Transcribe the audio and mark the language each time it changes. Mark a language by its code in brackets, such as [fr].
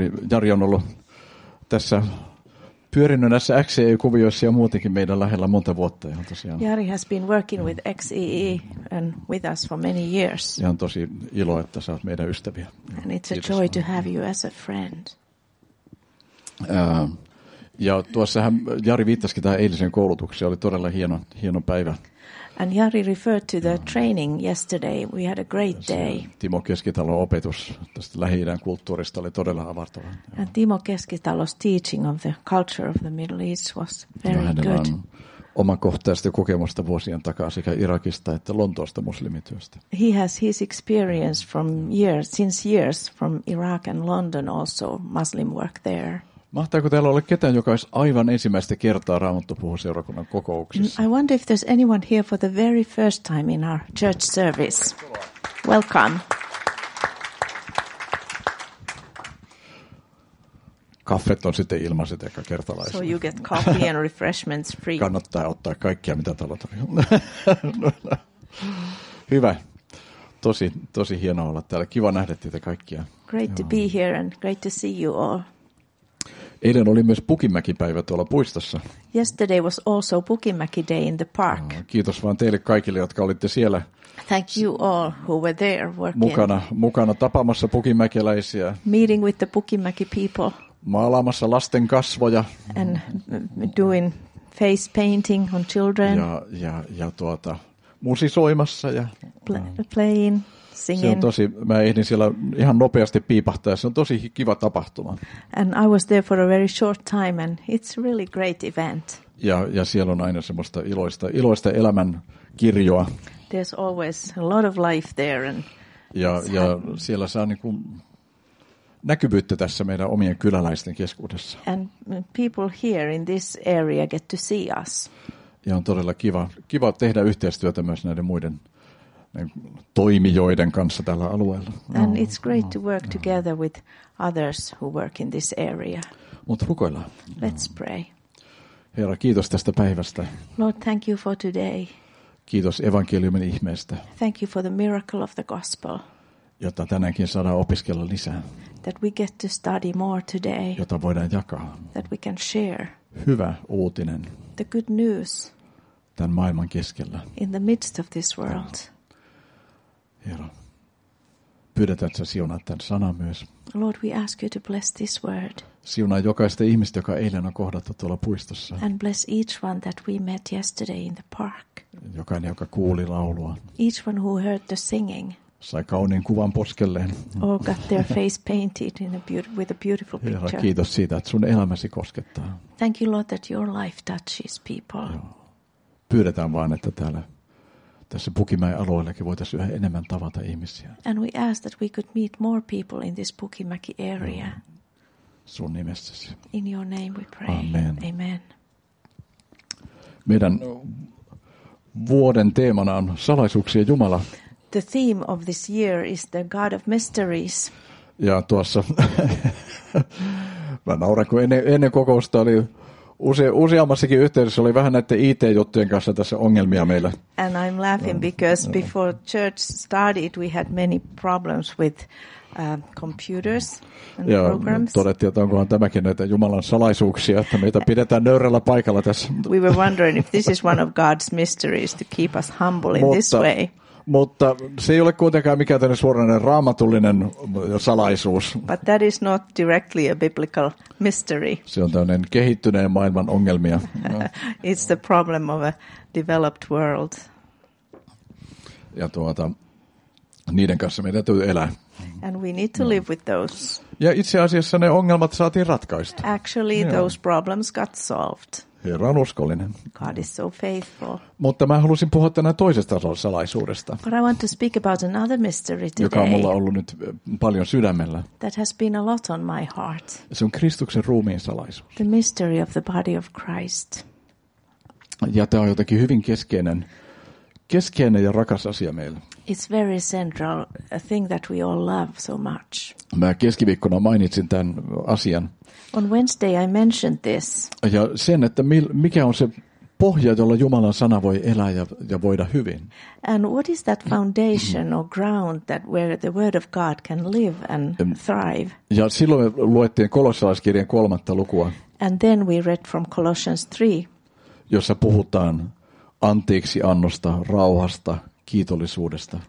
[fi] Jari on ollut tässä pyörinyt näissä XEE-kuvioissa ja muutenkin meidän lähellä monta vuotta. Ja tosiaan, [en] Jari has been working with XEE and with us for many years. [fi] Ja on tosi ilo, että sä oot meidän ystäviä. [en] And it's a joy to have you as a friend. [fi] Ja tuossahan Jari viittasikin tähän eiliseen koulutukseen. Oli todella hieno päivä. [en] And Jari referred to the training yesterday. We had a great day. [fi] Timo Keskitalon opetus tästä Lähi-idän kulttuurista oli todella avartava. [en] And Timo Keskitalo's teaching of the culture of the Middle East was very good. [fi] Hänellä on omakohtaista kokemusta vuosien takaa sekä Irakista että Lontoosta muslimityöstä. [en] He has his experience from years, since years from Iraq and London also Muslim work there. [fi] Mahtaako täällä olla ketään, joka olisi aivan ensimmäistä kertaa Raamattupuhuseurakunnan kokouksessa? [en] I wonder if there's anyone here for the very first time in our church service. Welcome. [fi] Kaffet on sitten ilmaiset ehkä kertalaisille. [en] So you get coffee and refreshments free. [fi] Kannattaa ottaa kaikkia, mitä talo tarjoaa. Hyvä. Tosi hieno olla täällä. Kiva nähdä teitä kaikkia. [en] Great to be here and great to see you all. [fi] Eilen oli myös Pukinmäki-päivä tuolla puistossa. [en] Yesterday was also Pukinmäki day in the park. [fi] Kiitos vaan teille kaikille, jotka olitte siellä. [en] Thank you all who were there working. [fi] Mukana tapaamassa pukinmäkeläisiä. [en] Meeting with the Pukinmäki people. [fi] Maalaamassa lasten kasvoja. [en] And doing face painting on children. [fi] Ja musisoimassa ja [en] playing. Singing. [fi] Se on tosi, mä ehdin siellä ihan nopeasti piipahtaa, se on tosi kiva tapahtuma. [en] And I was there for a very short time and it's really great event. [fi] Ja siellä on aina semmoista iloista elämän kirjoa. [en] There's always a lot of life there. And [fi] ja siellä saa niin kuin näkyvyyttä tässä meidän omien kyläläisten keskuudessa. [en] And people here in this area get to see us. [fi] Ja on todella kiva tehdä yhteistyötä myös näiden muiden toimijoiden kanssa tällä alueella. [en] And it's great to work together with others who work in this area. [fi] Mutta rukoillaan. [en] Let's pray. [fi] Herra, kiitos tästä päivästä. [en] Lord, thank you for today. [fi] Kiitos evankeliumin ihmeestä. [en] Thank you for the miracle of the gospel. [fi] Jota tänäänkin saadaan opiskella lisää. [en] That we get to study more today. [fi] Jota voidaan jakaa. [en] That we can share. [fi] Hyvä uutinen. [en] The good news. [fi] Tämän maailman keskellä. [en] In the midst of this world. [fi] Herra, pyydetään, että sä siunaat tämän sanan myös. [en] Lord, we ask you to bless this word. [fi] Siunaa jokaista ihmistä, joka eilen on kohdattu tuolla puistossa. [en] And bless each one that we met yesterday in the park. [fi] Jokainen, joka kuuli laulua. [en] Each one who heard the singing. [fi] Sai kauniin kuvan poskelleen. [en] Or got their face painted in with a beautiful picture. [fi] Herra, kiitos siitä, että sun elämäsi koskettaa. [en] Thank you, Lord, that your life touches people. [fi] Pyydetään vaan, että täällä tässä Pukinmäen alueellakin voitaisiin yhä enemmän tavata ihmisiä. [en] And we ask that we could meet more people in this Pukinmäki area. [fi] Sun nimessäsi. [en] In your name we pray. [fi] Amen. [en] Amen. [fi] Meidän vuoden teemana on salaisuuksia Jumala. [en] The theme of this year is the God of Mysteries. [fi] Ja tuossa, mä nauran, kun ennen kokousta oli useammassakin yhteydessä oli vähän näiden IT-juttujen kanssa tässä ongelmia meillä. [en] And I'm laughing because before church started we had many problems with computers and [fi] ja [en] programs. [fi] Todettiin, että onkohan tämäkin näitä Jumalan salaisuuksia, että meitä pidetään nöyrällä paikalla tässä. [en] We were wondering if this is one of God's mysteries to keep us humble in this way. [fi] Mutta se ei ole kuitenkaan mikään tämmöinen suoranainen raamatullinen salaisuus. [en] But that is not directly a biblical mystery. [fi] Se on tämmöinen kehittyneen maailman ongelmia. [en] It's the problem of a developed world. [fi] Ja niiden kanssa meidän täytyy elää. [en] And we need to live with those. [fi] Ja itse asiassa ne ongelmat saatiin ratkaista. [en] Actually those problems got solved. [fi] Herra on uskollinen. [en] God is so faithful. [fi] Mutta mä halusin puhua tänään toisesta salaisuudesta. [en] But I want to speak about another mystery today. [fi] Joka on mulla ollut nyt paljon sydämellä. [en] That has been a lot on my heart. [fi] Se on Kristuksen ruumiin salaisuus. [en] The mystery of the body of Christ. [fi] Ja tämä on jotenkin hyvin keskeinen ja rakas asia meille. [en] It's very central, a thing that we all love so much. [fi] Mä keskiviikkona mainitsin tämän asian. [en] On Wednesday I mentioned this. [fi] Ja sen, että mikä on se pohja, jolla Jumalan sana voi elää ja voida hyvin. [en] And what is that foundation or ground that where the word of God can live and thrive? [fi] Ja silloin me luettiin Kolossalaiskirjan 3. lukua. [en] And then we read from Colossians 3. [fi] Jossa puhutaan anteeksi annosta, rauhasta, kiitollisuudesta.